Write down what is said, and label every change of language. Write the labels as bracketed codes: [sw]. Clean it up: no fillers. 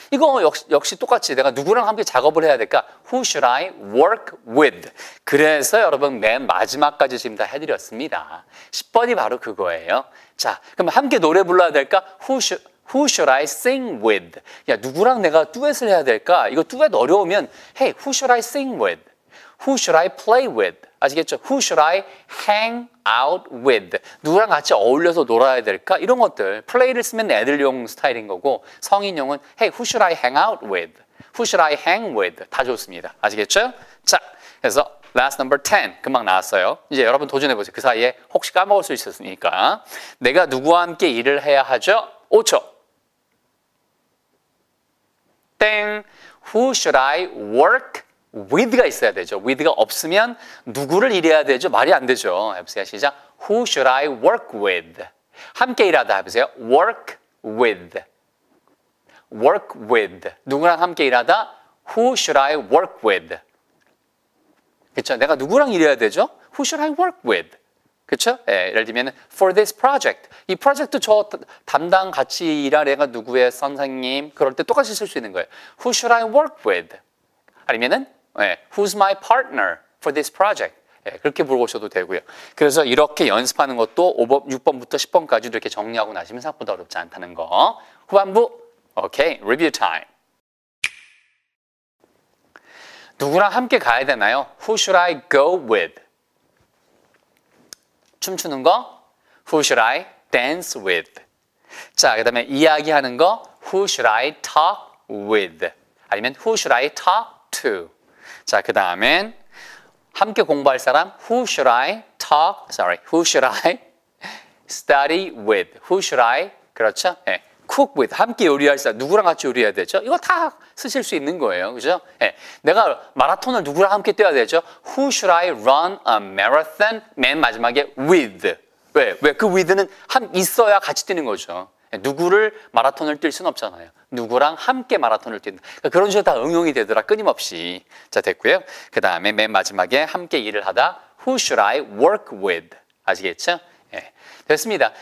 [ko] 이거 역시 똑같이 내가 누구랑 함께 작업을 해야 될까? [en] Who should I work with? [ko] 그래서 여러분 맨 마지막까지 지금 다 해드렸습니다. 10번이 바로 그거예요. 자, 그럼 함께 노래 불러야 될까? [en] Who should I sing with? [ko] 야, 누구랑 내가 듀엣을 해야 될까? 이거 듀엣 어려우면 [en] Hey, who should I sing with? Who should I play with? [ko] 아시겠죠? [en] Who should I hang out with? [ko] 누구랑 같이 어울려서 놀아야 될까? 이런 것들 플레이를 쓰면 애들용 스타일인 거고 성인용은 [en] Hey, who should I hang out with? Who should I hang with? [ko] 다 좋습니다. 아시겠죠? 자, 그래서 [en] last number 10 [ko] 금방 나왔어요. 이제 여러분 도전해보세요. 그 사이에 혹시 까먹을 수 있었으니까 내가 누구와 함께 일을 해야 하죠? 5초. 땡. [en] Who should I work with [ko] 가 있어야 되죠. with가 없으면 누구를 일해야 되죠. 말이 안 되죠. 해보세요. 시작. [en] Who should I work with? [ko] 함께 일하다 해보세요. [en] Work with. Work with. [ko] 누구랑 함께 일하다? [en] Who should I work with? [ko] 그렇죠. 내가 누구랑 일해야 되죠? [en] Who should I work with? [ko] 그렇죠? 예, 예를 들면 [en] for this project. [ko] 이 프로젝트 저 담당 같이 일할 애가 누구예요? 선생님. 그럴 때 똑같이 쓸수 있는 거예요. [en] Who should I work with? 아니면은 예, who's my partner for this project? [ko] 예, 그렇게 물어보셔도 되고요. 그래서 이렇게 연습하는 것도 5번, 6번부터 10번까지 이렇게 정리하고 나시면 생각보다 어렵지 않다는 거. 후반부. 오케이. [en] Review time. [ko] 누구랑 함께 가야 되나요? [en] Who should I go with? 춤추는 거? Who should I dance with? [ko] 자, 그 다음에 이야기하는 거? [en] Who should I talk with? 아니면 Who should I talk to? [ko] 자, 그 다음엔 함께 공부할 사람? [en] Who should I talk? Sorry. Who should I study with? Who should I? [ko] 그렇죠? 네. [en] Cook with. [ko] 함께 요리할 사람. 누구랑 같이 요리해야 되죠? 이거 다 쓰실 수 있는 거예요. 그죠? 네. 내가 마라톤을 누구랑 함께 뛰어야 되죠? [en] Who should I run a marathon? [ko] 맨 마지막에 with. 왜? 왜? 그 with는 함 있어야 같이 뛰는 거죠. 누구를 마라톤을 뛸 수는 없잖아요. 누구랑 함께 마라톤을 뛴다. 그런 식으로 다 응용이 되더라. 끊임없이. 자, 됐고요. 그 다음에 맨 마지막에 함께 일을 하다. [en] Who should I work with? [ko] 아시겠죠? 예. 됐습니다.